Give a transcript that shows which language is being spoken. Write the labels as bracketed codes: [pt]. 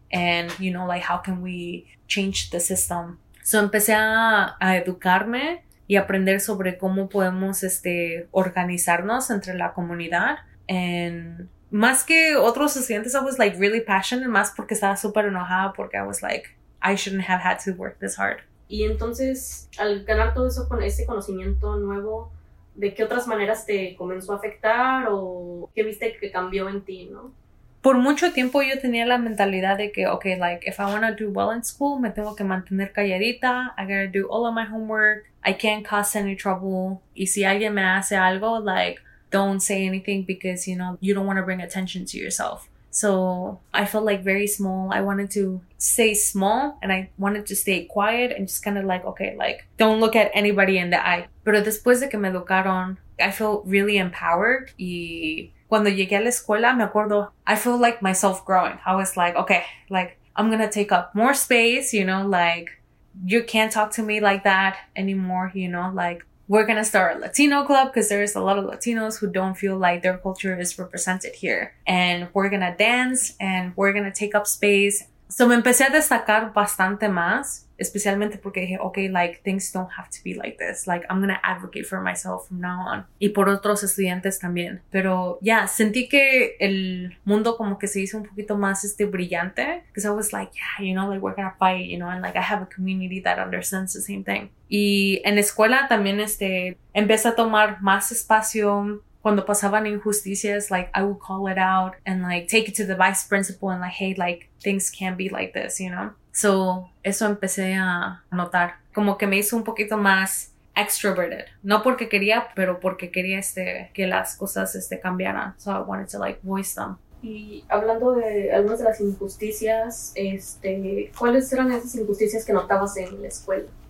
[en] And, you know, like, how can we change the system? [es] So, empecé a educarme y aprender sobre cómo podemos organizarnos entre la comunidad. [en] And [es] más que otros estudiantes, [en] I was like really passionate, [es] más porque estaba súper enojada, porque [en] I was like, I shouldn't have had to work this hard. [es] Y entonces, al ganar todo eso con ese conocimiento nuevo, ¿de qué otras maneras te comenzó a afectar o qué viste que cambió en ti, no? Por mucho tiempo yo tenía la mentalidad de que, [en] okay, like, if I want to do well in school, [es] me tengo que mantener calladita, [en] I gotta do all of my homework, I can't cause any trouble, [es] y si alguien me hace algo, [en] like, don't say anything because, you know, you don't want to bring attention to yourself. So I felt like very small. I wanted to stay small and I wanted to stay quiet and just kind of like, okay, like, don't look at anybody in the eye. [es] Pero después de que me educaron, [en] I felt really empowered. [es] Y cuando llegué a la escuela, me acuerdo, [en] I felt like myself growing. I was like, okay, like, I'm gonna take up more space, you know, like, you can't talk to me like that anymore, you know, like, we're gonna start a Latino club because there is a lot of Latinos who don't feel like their culture is represented here. And we're gonna dance and we're gonna take up space. So [es] me empecé a destacar bastante más, especialmente porque dije, [en] okay, like, things don't have to be like this. Like, I'm gonna advocate for myself from now on. [es] Y por otros estudiantes también. Pero, yeah, sentí que el mundo como que se hizo un poquito más brillante. [en] Because I was like, yeah, you know, like, we're gonna fight, you know, and like, I have a community that understands the same thing. [es] Y en escuela también empecé a tomar más espacio. Cuando pasaban injusticias, [en] like, I would call it out and, like, take it to the vice principal and, like, hey, like, things can't be like this, you know? [es] So, eso empecé a notar. Como que me hizo un poquito más extroverted. No porque quería, pero porque quería que las cosas cambiaran. [en] So, I wanted to, like, voice them. [es] Y hablando de algunas de las injusticias, ¿cuáles eran esas injusticias que notabas en la escuela?